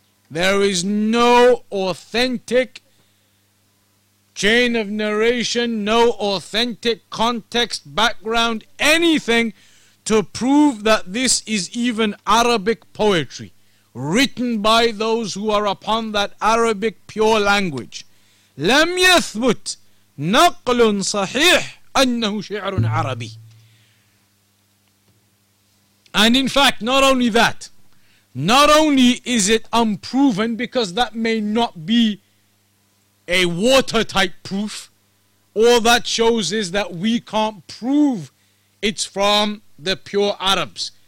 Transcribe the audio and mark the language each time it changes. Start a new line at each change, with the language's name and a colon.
English: There is no authentic chain of narration, no authentic context, background, anything to prove that this is even Arabic poetry written by those who are upon that Arabic pure language.
Arabic: لم يثبت نقل صحيح أنه شعر عربي.
English: And in fact, not only that, not only is it unproven, because that may not be a watertight proof, all that shows is that we can't prove it's from the pure Arabs.